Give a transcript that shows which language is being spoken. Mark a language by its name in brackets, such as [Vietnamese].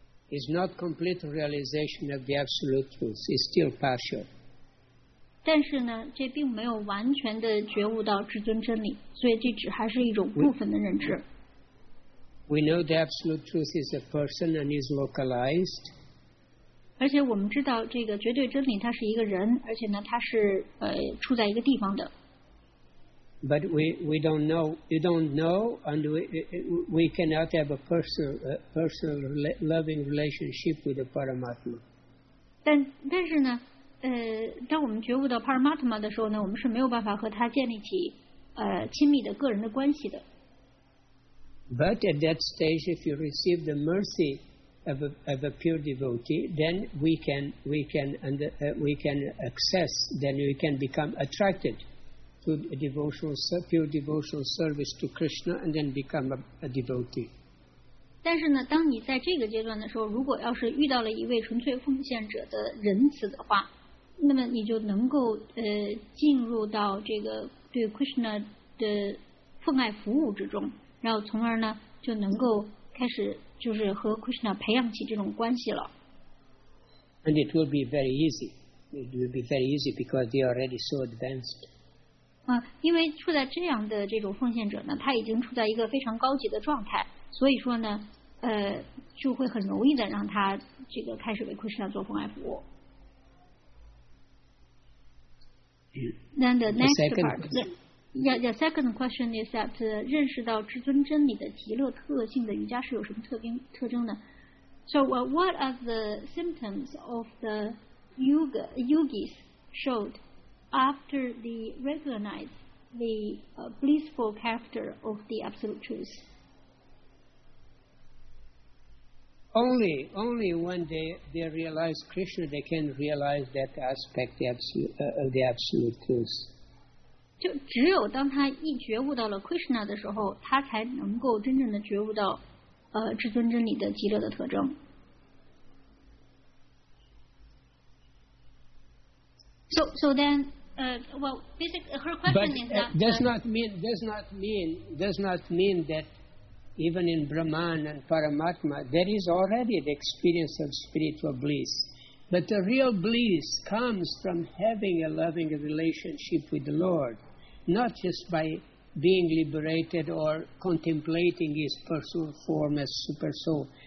[English] Is not complete realization of the absolute truth. It's still partial. [Chinese] 但是呢，这并没有完全的觉悟到至尊真理，所以这只还是一种部分的认知。 [English] We know the absolute truth is a person and is localized. [Chinese] 而且我们知道这个绝对真理它是一个人，而且呢，它是处在一个地方的。 [English] But we don't know, and we cannot have a personal loving relationship with the Paramatma. [Chinese] 但是呢，当我们觉悟到 Paramatma 的时候呢，我们是没有办法和他建立起亲密的个人的关系的。 [English] But at that stage, if you receive the mercy of a pure devotee, then we can access, then we can become attracted. To a devotional, pure devotional service to Krishna, and then become a devotee. [Chinese] 但是呢，当你在这个阶段的时候，如果要是遇到了一位纯粹奉献者的仁慈的话，那么你就能够进入到这个对 Krishna 的奉爱服务之中，然后从而呢就能够开始就是和 Krishna 培养起这种关系了。 [English] And it will be very easy. It will be very easy because they are already so advanced. [Chinese] 因为处在这样的这种奉献者呢，他已经处在一个非常高级的状态，所以说呢，就会很容易的让他这个开始为 Krishna 做奉爱服务。 [English] Then the next part, the second question is that [Chinese] 认识到至尊真理的极乐特性的瑜伽士有什么特征呢 [English] ？So what are the symptoms of the yogis showed? After they recognize the blissful character of the absolute truth, Only when they realize Krishna, they can realize that aspect of the absolute truth. [Chinese] 就只有当他一觉悟到了 Krishna 的时候，他才能够真正的觉悟到，至尊真理的极乐的特征。 [English] Does not mean that even in Brahman and Paramatma there is already the experience of spiritual bliss. But the real bliss comes from having a loving relationship with the Lord, not just by being liberated or contemplating His personal form as Super Soul.